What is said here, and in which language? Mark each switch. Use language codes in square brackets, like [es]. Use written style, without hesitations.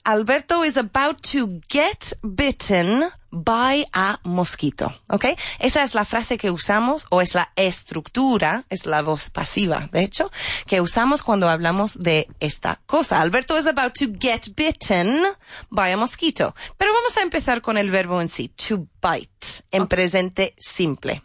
[en] Alberto is about to get bitten by a mosquito. ¿Ok? [es] Esa es la frase que usamos, o es la estructura, es la voz pasiva, de hecho, que usamos cuando hablamos de esta cosa. [en] Alberto is about to get bitten by a mosquito. [es] Pero vamos a empezar con el verbo en sí, to bite, en presente simple.